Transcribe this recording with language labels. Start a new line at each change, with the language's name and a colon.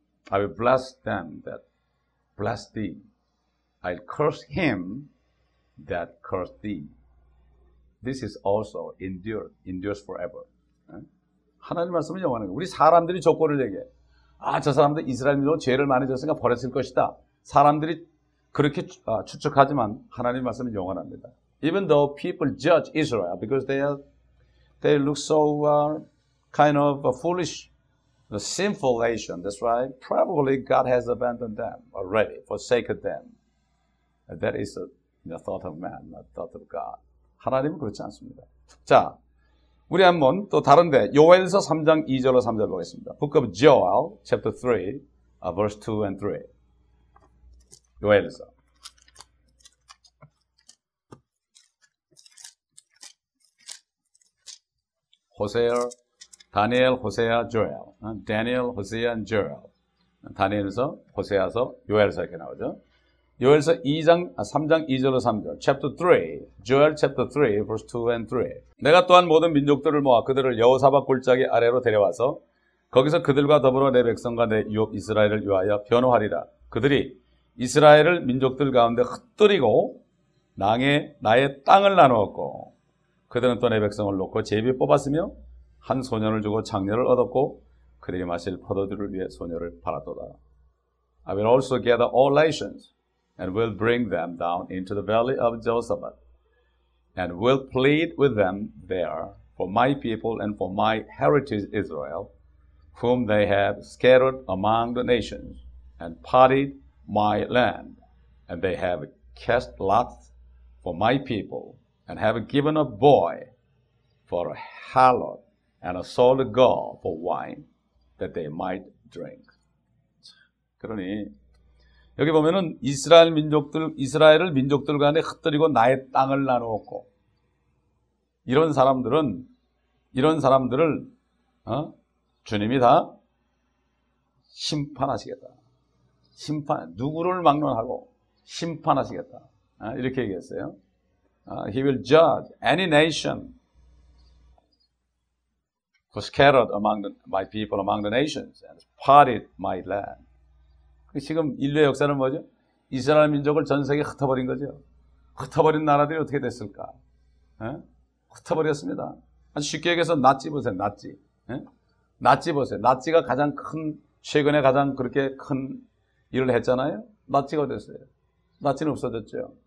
English: I will bless them that bless thee. I'll curse him that curse thee. This is also endured, endures forever.
Korean: 하나님 말씀은 영원한 거예요. 우리 사람들이 조건을 얘기해. 아, 저 사람들 이스라엘도 죄를 많이 졌으니까 버렸을 것이다. 사람들이 그렇게 추측하지만 하나님 말씀은 영원합니다.
English: Even though people judge Israel because they look so kind of a foolish, a sinful nation. That's why probably God has abandoned them already, forsaken them. That is the thought of man, not thought of God.
Korean: 하나님은 그렇지 않습니다. 자, 우리 한번 또 다른데 요엘서 3장 2절로 3절 보겠습니다.
English: Book of Joel, chapter 3, verse 2 and 3.
Korean: 요엘서. 호세아, 다니엘, 호세아, 조엘.
English: Daniel, Hosea, and Joel.
Korean: 다니엘서, 호세아서, 요엘서 이렇게 나오죠. 요엘서 2장, 3장 2절로 3절.
English: Chapter 3. Joel chapter 3, verse 2 and 3.
Korean: 내가 또한 모든 민족들을 모아 그들을 여호사밧 골짜기 아래로 데려와서 거기서 그들과 더불어 내 백성과 내 유업 이스라엘을 위하여 변호하리라. 그들이 이스라엘을 민족들 가운데 흩뜨리고 나의 땅을 나누었고 그들은 또 내 백성을 놓고 제비 뽑았으며 한 소년을 주고 장녀를 얻었고 그들이 마실 포도주를 위해 소녀를 팔았도다.
English: I will also gather all nations and will bring them down into the valley of Jehoshaphat, and will plead with them there for my people and for my heritage Israel, whom they have scattered among the nations, and parted my land, and they have cast lots for my people, and have given a boy for a harlot, and a sold a girl for wine, that they might drink.
Korean: 그러니 여기 보면은 이스라엘을 민족들 간에 흩뜨리고 나의 땅을 나누었고 이런 사람들을 주님이 다 심판하시겠다. 심판 누구를 막론하고 심판하시겠다. 이렇게 얘기했어요.
English: He will judge any nation who scattered my people among the nations and parted my land.
Korean: 지금 인류의 역사는 뭐죠? 이스라엘 민족을 전 세계에 흩어버린 거죠. 흩어버린 나라들이 어떻게 됐을까? 에? 흩어버렸습니다. 아주 쉽게 얘기해서 나치 보세요. 나치. 에? 나치 보세요. 나치가 가장 큰, 최근에 가장 그렇게 큰 일을 했잖아요. 나치가 됐어요. 나치는 없어졌죠.